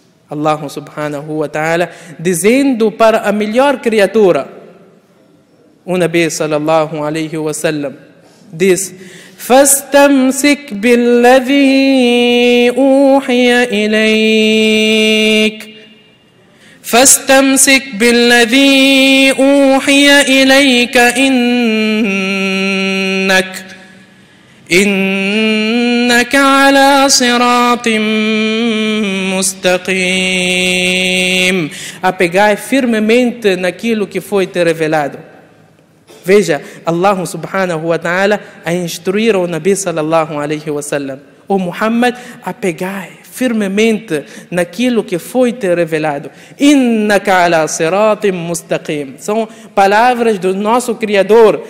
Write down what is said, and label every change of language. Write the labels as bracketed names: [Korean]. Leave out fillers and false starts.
[Portuguese] Allah subhanahu wa ta'ala dizendo para a melhor criatura, o Nabi sallallahu alaihi wa sallam diz: [Arabic] فَاسْتَمْسِكْ بِالَّذِي أُوحِيَ إِلَيْكَ فاستمسك بالذي أوحي إليك إنك على صراط مستقيم. [Portuguese] Apegai firmemente naquilo que foi te revelado. Veja, Allah subhanahu wa ta'ala a instruir o Nabi sallallahu alayhi wa sallam. O Muhammad, apegai firmemente naquilo que foi te revelado. [Arabic] Innaka ala siratim mustaqim. [Portuguese] São palavras do nosso Criador.